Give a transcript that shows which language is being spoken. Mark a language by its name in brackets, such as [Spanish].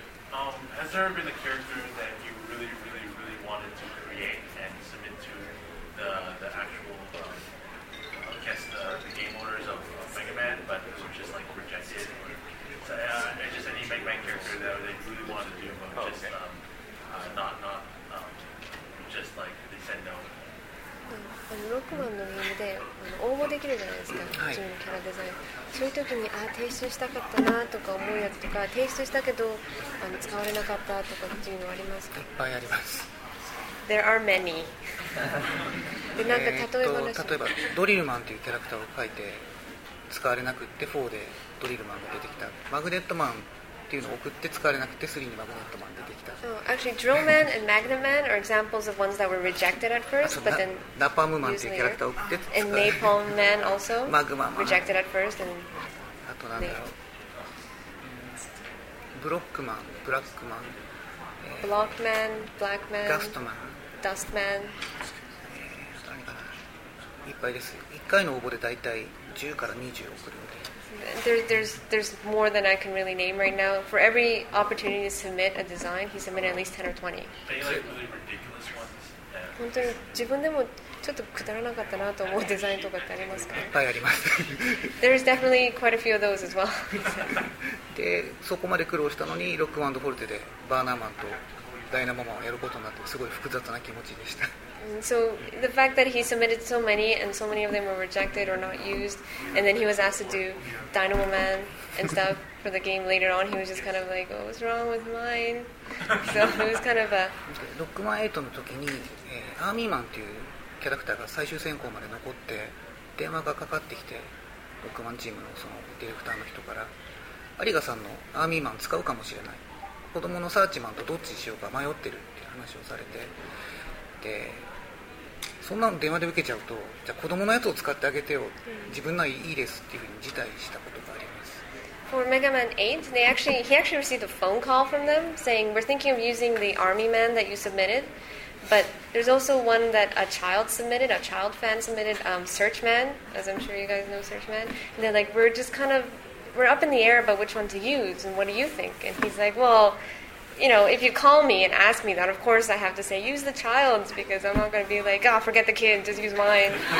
[English] Has there been a character that you really, really, really wanted to create and submit to the actual, I guess, the game owners of Mega Man, but it was just like rejected? Just any Mega Man character that they really wanted to do, but just like they said no. [Japanese] ロックマンのゲームで応募できるじゃないですか、自分のキャラデザイン、そういう時に提出したかったなとか思うやつとか、提出したけど使われなかったとかっていうのはありますか？いっぱいあります。 [English] There are many. [Japanese] でなんか例え話、例えばドリルマンというキャラクターを描いて使われなくって、4でドリルマンが出てきた。マグネットマンっていうのを送って使われなくて、3にマグネットマン出てきた。 [English] Oh, actually, Drill Man and Magna Man are examples of ones that were rejected at first, but then [Japanese] ナパムマンっていうキャラクターを送って、 [English] and Napalm Man also [Japanese] マグマン [English] rejected at first, and [Japanese] あとなんだろう、ブロックマン、ブラックマン、ブロックマン、ブラックマン、ダストマン、ダストマン、いっぱいです。一回の応募でだいたい10から20送るので。 [English] There's more than I can really name right now. For every opportunity to submit a design, he submitted at least 10 or 20. Are you like really ridiculous ones? [Japanese] 本当に自分でもちょっとくだらなかったなと思うデザインとかありますか？いっぱいあります。 [English] There's definitely quite a few of those as well. [Japanese] で、そこまで苦労したのにロックマンとフォルテでバーナーマンとダイナモマンをやることになってすごい複雑な気持ちでした。 [English] So the fact that he submitted so many and so many of them were rejected or not used, and then he was asked to do Dynamo Man and stuff for the game later on, he was just kind of like, "What's wrong with mine?" So it was kind of a. [Japanese] Rockman 8の時に、アーミーマンっていうキャラクターが最終選考まで残って、電話がかかってきて、ロックマンチームのそのディレクターの人から、有賀さんのアーミーマン使うかもしれない。子供のサーチマンとどっちにしようか迷ってるって話をされて。でそんなの電話で受けちゃうと、じゃあ子供のやつを使ってあげてよ、自分のいいですっていうふうに辞退したことがあります。 [English] For Mega Man 8, he actually received a phone call from them saying, we're thinking of using the army man that you submitted, but there's also one that a child fan submitted, Search Man, as I'm sure you guys know Search Man, and they're like, we're up in the air about which one to use and what do you think, and he's like, well,you know, if you call me and ask me that, of course I have to say use the child's because I'm not going to be like, oh, forget the kid, just use mine.